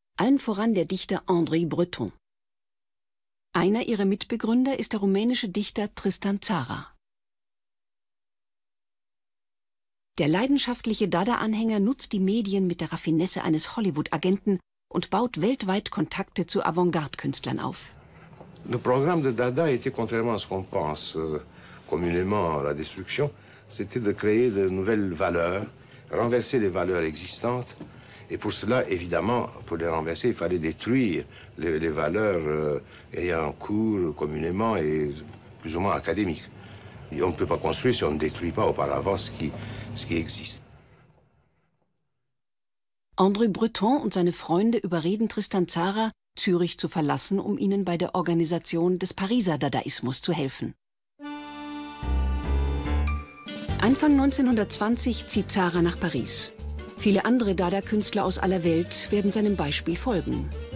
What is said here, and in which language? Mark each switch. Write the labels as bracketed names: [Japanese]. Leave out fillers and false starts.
[German] Allen voran der Dichter André Breton. Einer ihrer Mitbegründer ist der rumänische Dichter Tristan Tzara. Der leidenschaftliche Dada-Anhänger nutzt die Medien mit der Raffinesse eines Hollywood-Agenten und baut weltweit Kontakte zu Avantgarde-Künstlern auf. [French] Le programme de Dada était contrairement à ce qu'on pense communément la destruction, c'était de créer de nouvelles valeurs, renverser les valeurs existantes et pour cela évidemment pour les renverser, il fallait détruire les valeurs ayant cours communément et plus ou moins académiques. Et on ne peut pas construire si on ne détruit pas auparavant ce qui existe. [German] André Breton und seine Freunde überreden Tristan Tzara, Zürich zu verlassen, um ihnen bei der Organisation des Pariser Dadaismus zu helfen. Anfang 1920 zieht Tzara nach Paris. Viele andere Dada-Künstler aus aller Welt werden seinem Beispiel folgen.